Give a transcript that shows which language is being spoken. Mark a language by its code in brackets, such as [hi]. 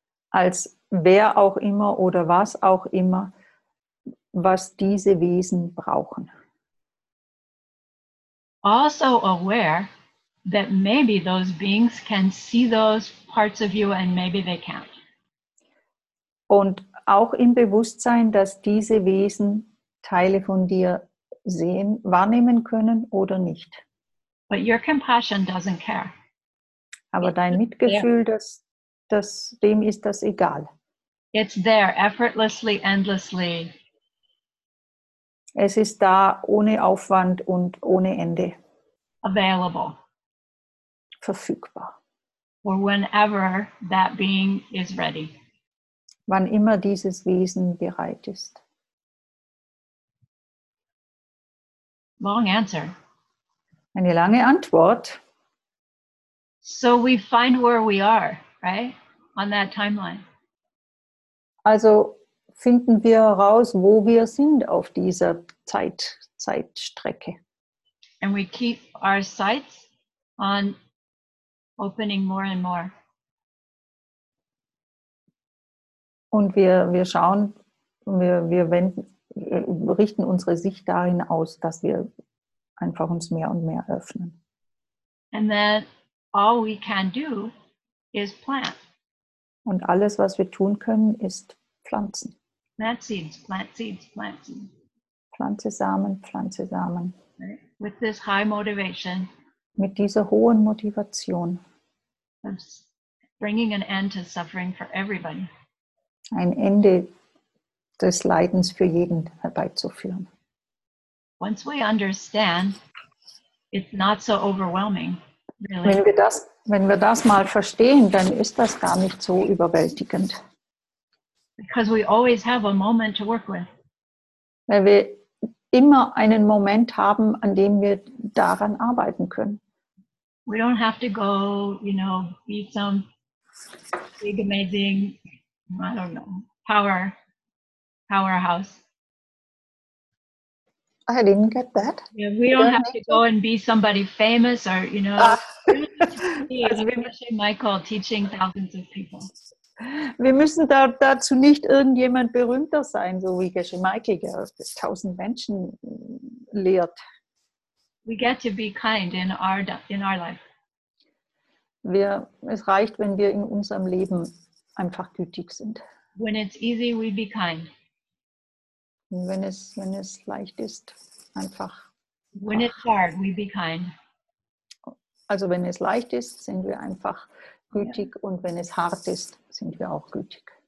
[de] Als wer auch immer oder was auch immer, was diese Wesen brauchen. [en] Also aware that maybe those beings can see those parts of you and maybe they can't. [de] Und auch im Bewusstsein, dass diese Wesen Teile von dir sehen, wahrnehmen können oder nicht. [en] But your compassion doesn't care. [de] Aber dein Mitgefühl, das dem ist das egal. [en] It's there, effortlessly, endlessly. [de] Es ist da ohne Aufwand und ohne Ende. [en] Available. [de] Verfügbar. [en] Or whenever that being is ready. [de] wann immer dieses Wesen bereit ist. [en] Long answer. [de] Eine lange Antwort. [en] So we find where we are, right? On that timeline. [de] Also finden wir heraus, wo wir sind auf dieser Zeitstrecke. [en] And we keep our sights on opening more and more. [de] Und wir schauen, wir wenden, richten unsere Sicht dahin aus, dass wir einfach uns mehr und mehr öffnen. [en] And then all we can do is plant. [de] Und alles, was wir tun können, ist pflanzen. [en] Plant seeds, plant seeds, plant seeds. [de] Pflanze Samen, pflanze Samen. [en] With this high motivation. [de] Mit dieser hohen Motivation. [en] Bringing an end to suffering for everybody. [de] Ein Ende des Leidens für jeden herbeizuführen. [en] Once we understand, it's not so overwhelming. Really. [de] Wenn wir das mal verstehen, dann ist das gar nicht so überwältigend. [en] Because we always have a moment to work with. [de] Weil wir immer einen Moment haben, an dem wir daran arbeiten können. [en] We don't have to go, you know, be some big amazing, I don't know, powerhouse. I didn't get that. Yeah, we don't have to go and be somebody famous or, you know, Michael teaching thousands of people. [de] Wir müssen dazu nicht irgendjemand berühmter sein, so wie Geshe Michael, der 1000 Menschen lehrt. [en] We get to be kind in our life. [de] Es reicht, wenn wir in unserem Leben einfach gütig sind. [en] When it's easy, we be kind. [de] Wenn es leicht ist, einfach. [en] When it's hard, we be kind. [de] Also wenn es leicht ist, sind wir einfach gütig, yeah. Und wenn es hart ist, sind wir auch gütig.